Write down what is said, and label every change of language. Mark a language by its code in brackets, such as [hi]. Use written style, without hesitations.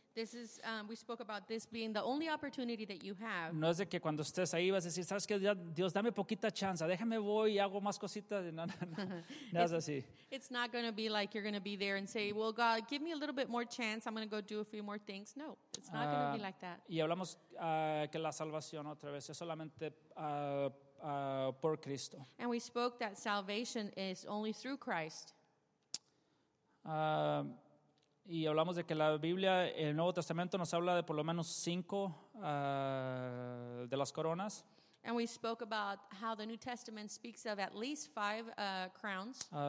[en] This is we spoke about this being the only opportunity that you have. [es] No es de que cuando estés ahí vas a decir, sabes que Dios dame poquita chance, déjame voy y hago más cositas. No es así. [en] It's not going to be like you're going to be there and say, well, God, give me a little bit more chance, I'm going to go do a few more things. No, it's not going to be like that. [es] Y hablamos que la salvación otra vez es solamente por Cristo. [en] And we spoke that salvation is only through Christ. [es] Y hablamos de que la Biblia, el Nuevo Testamento, nos habla de por lo menos 5 de las coronas. [en] And we spoke about how the New Testament speaks of at least 5 crowns.